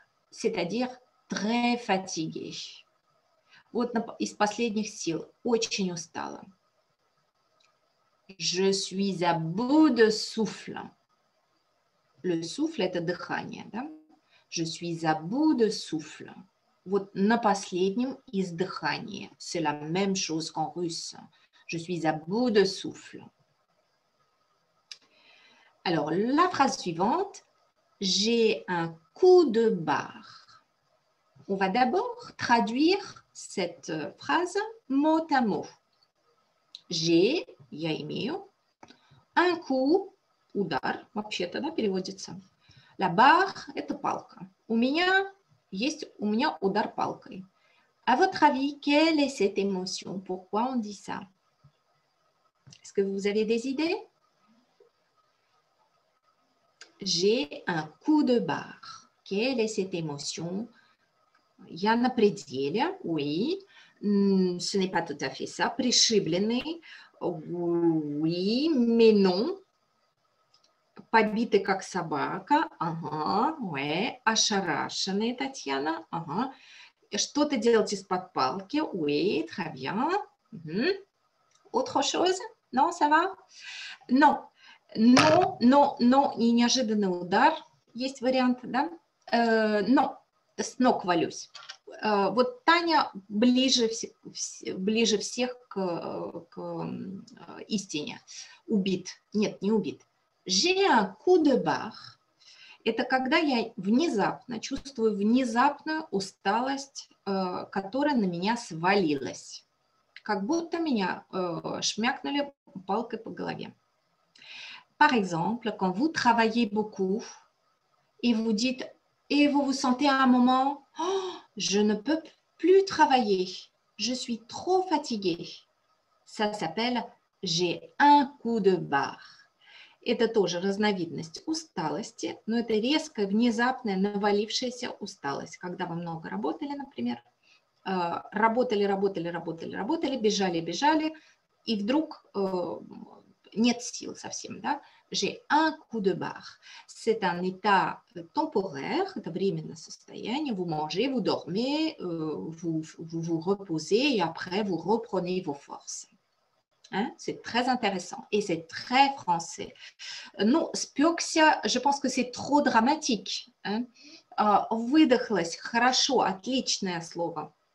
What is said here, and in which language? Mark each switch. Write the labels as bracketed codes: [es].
[fr] C'est-à-dire très fatiguée. [ru] Вот из последних сил, очень устала. [fr] Je suis à bout de souffle. Le souffle est [ru] дыхание, да? [fr] Je suis à bout de souffle. [ru] Вот на последнем из дыхания. [fr] C'est la même chose qu'en russe. Je suis à bout de souffle. Alors, la phrase suivante. J'ai un coup de barre. On va d'abord traduire cette phrase mot à mot. J'ai, [ru] я имею, [fr] un coup de barre. [ru] Удар, вообще-то, да, переводится. [fr] La barre, [ru] это палка. У меня есть, у меня удар палкой. [fr] À votre avis, quelle est cette émotion? Pourquoi on dit ça? Est-ce que vous avez des idées? J'ai un coup de barre. Quelle est cette émotion? [ru] Я на пределе, [fr] oui. Ce n'est pas tout à fait ça. [ru] Пришибленный, [fr] oui, mais non. [ru] Побитый как собака, ага, ouais. Ошарашенный, Татьяна, ага. Что-то делать из-под палки, [fr] oui, très bien. Autre chose? Non, ça va? Non, non, non, non, [ru] и неожиданный удар, есть вариант, да? Но, с ног валюсь. Вот Таня ближе всех к истине. Убит, нет, не убит. [fr] J'ai un coup de barre. [ru] Это когда я внезапно чувствую внезапную усталость, которая на меня свалилась. Как будто меня шмякнули палкой по голове. [fr] Par exemple, quand vous travaillez beaucoup et vous dites, et vous vous sentez à un moment, oh, je ne peux plus travailler, je suis trop fatiguée. Ça s'appelle j'ai un coup de barre. [ru] Это тоже разновидность усталости, но это резкая, внезапная, навалившаяся усталость, когда вы много работали, например, работали, работали, работали, работали, бежали, бежали, и вдруг нет сил совсем, да? [fr] J'ai un coup de barre. C'est un état temporaire, [ru] это временное состояние. [fr] Vous mangez, vous dormez, vous vous reposez et après vous reprenez vos forces. Hein? C'est très intéressant et c'est très français. Non, [ru] спёкся, [fr] je pense que c'est trop dramatique. Hein? [ru] Выдохлась, хорошо, отличное слово.